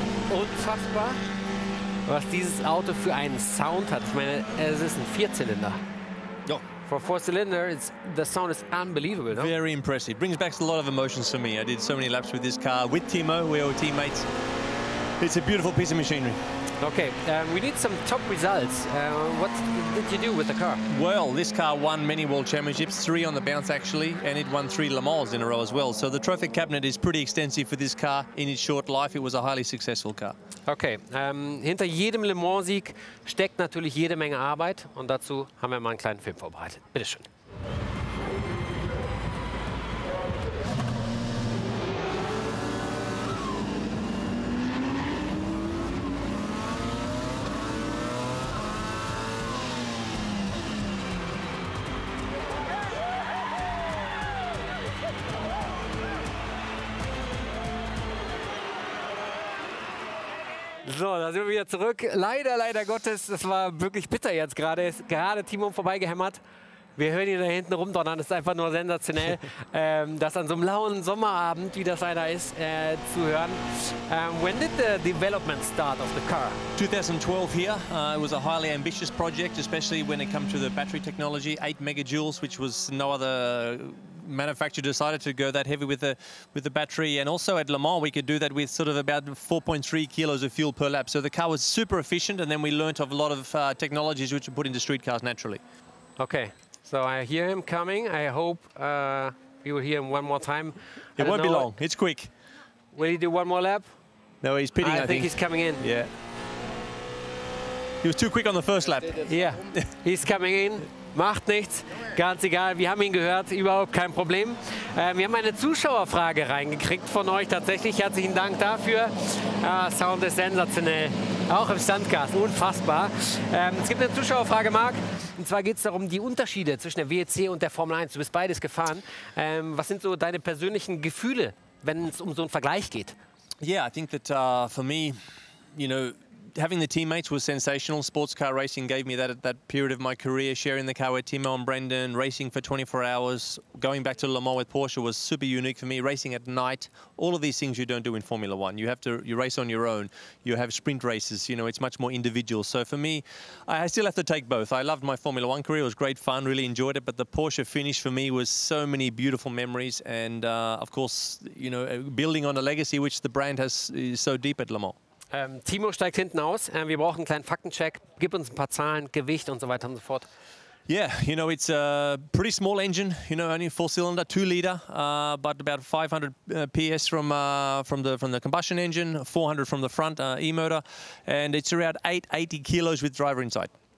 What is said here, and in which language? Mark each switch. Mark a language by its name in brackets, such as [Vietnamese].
[German] Unfassbar, was dieses Auto für einen Sound hat. Ich meine, es ist ein Vierzylinder. Ja. [English] For a four-cylinder, the sound is unbelievable, no? Very impressive. Brings back a lot of emotions for me. I did so many laps with this car, with Timo, we're all teammates. It's a beautiful piece of machinery. Okay, we need some top results. What did you do with the car? Well, this car won many world championships, three on the bounce actually, and it won three Le Mans in a row as well. So the trophy cabinet is pretty extensive for this car. In its short life, it was a highly successful car. [German] Okay, hinter jedem Le Mans-Sieg steckt natürlich jede Menge Arbeit und dazu haben wir mal einen kleinen Film vorbereitet. Bitteschön. So, da sind wir wieder zurück. Leider Gottes, das war wirklich bitter jetzt gerade. Ist gerade Timo vorbeigehämmert. Wir hören ihn da hinten rumdonnern, das ist einfach nur sensationell, das an so einem lauen Sommerabend, wie das einer ist, zu hören. [English] When did the development start of the car? 2012 here. It was a highly ambitious project, especially when it comes to the battery technology, 8 megajoules, which was no other manufacturer decided to go that heavy with the battery, and also at Le Mans we could do that with sort of about 4.3 kilos of fuel per lap. So the car was super efficient, and then we learned of a lot of technologies which were put into street cars naturally. Okay, so I hear him coming. I hope you will hear him one more time. It won't be long. It's quick. Will he do one more lap? No, he's pitting. I think he's coming in. Yeah. He was too quick on the first lap. Yeah. He's coming in. [German] Macht nichts, ganz egal, wir haben ihn gehört, überhaupt kein Problem. Wir haben eine Zuschauerfrage reingekriegt von euch tatsächlich, herzlichen Dank dafür. Sound ist sensationell, auch im Sandgas, unfassbar. Es gibt eine Zuschauerfrage, Marc, und zwar geht es darum, die Unterschiede zwischen der WEC und der Formel 1. Du bist beides gefahren. Was sind so deine persönlichen Gefühle, wenn es um so einen Vergleich geht? [English] Yeah, I think that for me, you know, having the teammates was sensational. Sports car racing gave me that at that period of my career, sharing the car with Timo and Brendan, racing for 24 hours, going back to Le Mans with Porsche was super unique for me, racing at night. All of these things you don't do in Formula One. You race on your own. You have sprint races, you know, it's much more individual. So for me, I still have to take both. I loved my Formula One career, it was great fun, really enjoyed it, but the Porsche finish for me was so many beautiful memories. And of course, you know, building on a legacy which the brand has is so deep at Le Mans. [German] Timo steigt hinten aus. Wir brauchen einen kleinen Faktencheck. Gib uns ein paar Zahlen, Gewicht und so weiter und so fort. [English] Yeah, you know, it's a pretty small engine, you know, only 4-cylinder, 2-liter, but about 500 PS from the combustion engine, 400 from the front e-motor, and it's around 880 kilos with driver inside.